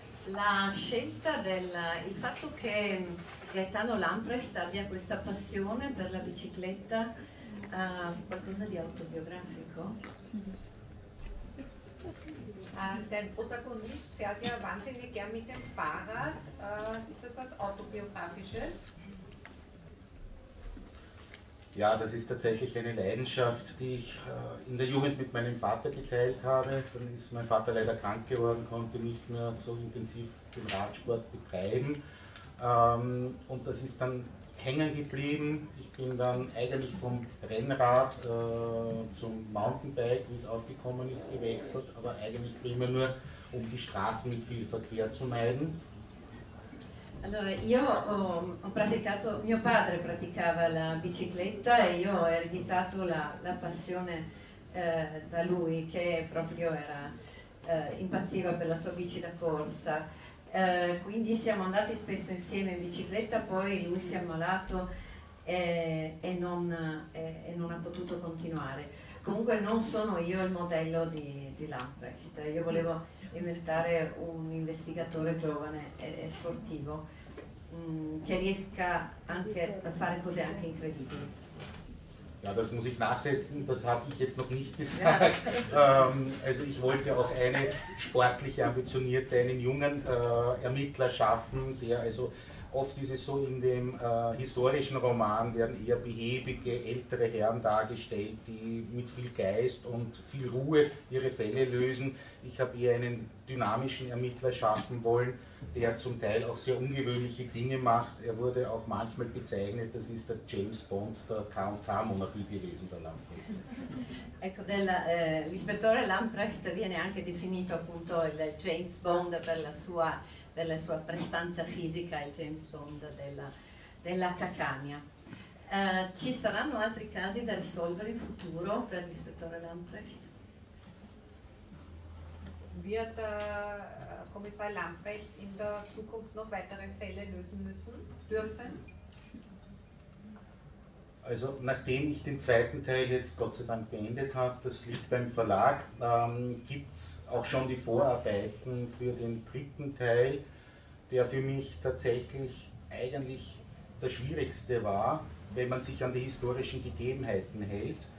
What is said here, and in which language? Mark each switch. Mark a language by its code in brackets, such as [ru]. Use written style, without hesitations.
[it] La scelta il fatto che Gaetano Lamprecht abbia questa passione per la bicicletta, qualcosa di autobiografico? [de] Dein Protagonist fährt ja wahnsinnig gern mit dem Fahrrad. Ist das was Autobiografisches? Ja, das ist tatsächlich eine Leidenschaft, die ich in der Jugend mit meinem Vater geteilt habe. Dann ist mein Vater leider krank geworden, konnte nicht mehr so intensiv den Radsport betreiben. Und das ist dann hängen geblieben. Ich bin dann eigentlich vom Rennrad zum Mountainbike, wie es aufgekommen ist, gewechselt, aber eigentlich prima nur, um die Straßen mit viel Verkehr zu meiden. [it] Allora, io ho praticato, mio padre praticava la bicicletta e io ho ereditato la passione da lui, che proprio era impazziva per la sua bici da corsa. quindi siamo andati spesso insieme in bicicletta, poi lui si è ammalato e non ha potuto continuare. Comunque non sono io il modello di Lamprecht, io volevo inventare un investigatore giovane e sportivo che riesca anche a fare cose anche incredibili. [de] Ja, das muss ich nachsetzen, das habe ich jetzt noch nicht gesagt. Also ich wollte auch eine sportliche, ambitionierte, einen jungen Ermittler schaffen, der also oft ist es so, in dem historischen Roman werden eher behäbige, ältere Herren dargestellt, die mit viel Geist und viel Ruhe ihre Fälle lösen. Ich habe eher einen dynamischen Ermittler schaffen wollen, der zum Teil auch sehr ungewöhnliche Dinge macht. Er wurde auch manchmal bezeichnet, das ist der James Bond, der K&K-Monarchie gewesen, der Lamprecht. [it] Ecco, l'ispettore Lamprecht viene anche definito appunto il James Bond per la sua prestanza fisica, il James Bond della Cacania. Ci saranno altri casi da risolvere in futuro per l'ispettore Lamprecht? [de] Wird Kommissar Lamprecht in der Zukunft noch weitere Fälle lösen müssen dürfen? Also nachdem ich den zweiten Teil jetzt Gott sei Dank beendet habe, das liegt beim Verlag, gibt es auch schon die Vorarbeiten für den dritten Teil, der für mich tatsächlich eigentlich der schwierigste war, wenn man sich an die historischen Gegebenheiten hält.